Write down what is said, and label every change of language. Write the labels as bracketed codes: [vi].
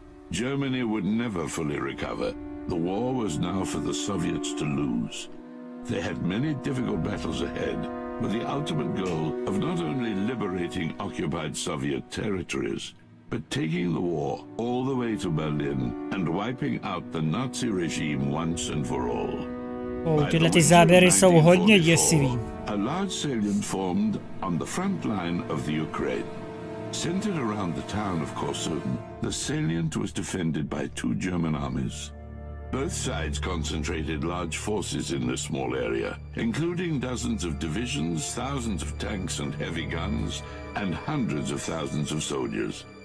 [en] Germany would never fully recover. The war was now for the Soviets to lose. They had many difficult battles ahead. With the ultimate goal of not only liberating occupied Soviet territories, but taking the war all the way to Berlin and wiping out the Nazi regime once and for all. [cs] Tyhle ty záběry jsou hodně děsivý. [en] A large salient formed on the front line of the Ukraine. Centered around the town of Korsun, the salient was defended by two German armies. Both sides concentrated large forces in this small area, including dozens of divisions, thousands of tanks and heavy guns, and hundreds of thousands of soldiers.